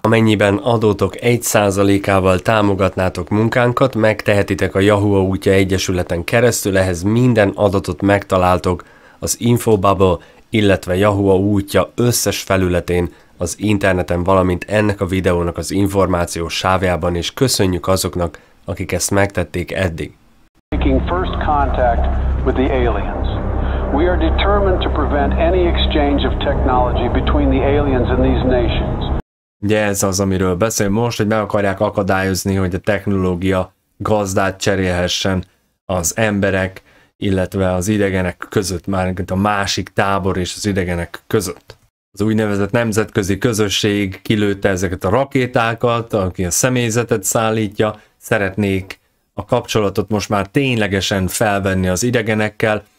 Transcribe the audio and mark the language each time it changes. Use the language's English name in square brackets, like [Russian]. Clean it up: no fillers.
[Hungarian] Amennyiben adótok 1%-ával támogatnátok munkánkat, megtehetitek a Yahoo útja egyesületen keresztül, ehhez minden adatot megtaláltok az Infobubble, illetve Yahoo útja összes felületén, az interneten, valamint ennek a videónak az információs sávjában, és köszönjük azoknak, akik ezt megtették eddig. [English] Making first contact with the aliens. We are determined to prevent any exchange of technology between the aliens and these nations. [Hungarian] Ugye ez az, amiről beszél most, hogy meg akarják akadályozni, hogy a technológia gazdát cserélhessen az emberek, illetve az idegenek között, már a másik tábor és az idegenek között. Az úgynevezett nemzetközi közösség kilőtte ezeket a rakétákat, aki a személyzetet szállítja, szeretnék a kapcsolatot most már ténylegesen felvenni az idegenekkel.